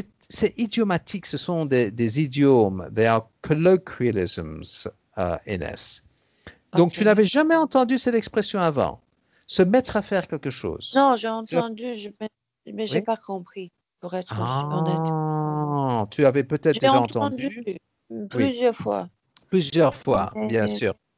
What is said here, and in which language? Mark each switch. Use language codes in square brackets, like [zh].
[fr] C'est idiomatique. Ce sont des idiomes. [en] They are colloquialisms, Inès. [fr] Donc, okay. Tu n'avais jamais entendu cette expression avant. Se mettre à faire quelque chose. Non, j'ai entendu, mais j'ai pas compris, pour être aussi honnête. Tu avais peut-être déjà entendu. Plusieurs fois. Plusieurs fois, bien sûr.